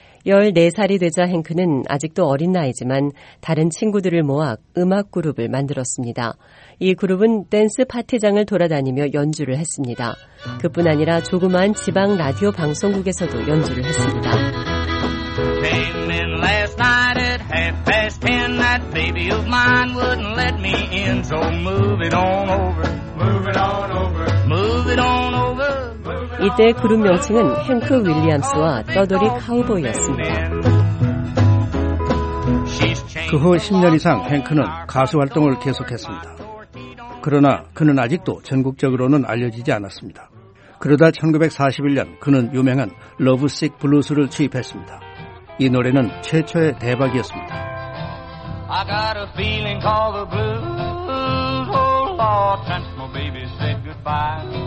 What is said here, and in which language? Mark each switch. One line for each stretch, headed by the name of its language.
Korean: 14살이 되자 행크는 아직도 어린 나이지만 다른 친구들을 모아 음악 그룹을 만들었습니다. 이 그룹은 댄스 파티장을 돌아다니며 연주를 했습니다. 그뿐 아니라 조그만 지방 라디오 방송국에서도 연주를 했습니다.
English: Came in last night at half past ten. That baby of mine wouldn't let me in. So move it on over. Move it on over. Move it on over.
Korean: 이때 그룹 명칭은 행크 윌리엄스와 떠돌이 카우보이였습니다. 그 후 10년 이상 행크는 가수 활동을 계속했습니다. 그러나 그는 아직도 전국적으로는 알려지지 않았습니다. 그러다 1941년 그는 유명한 러브식 블루스를 취입했습니다. 이 노래는 최초의 대박이었습니다.
English: I got a feeling called the blues. Oh Lord, since my baby said goodbye.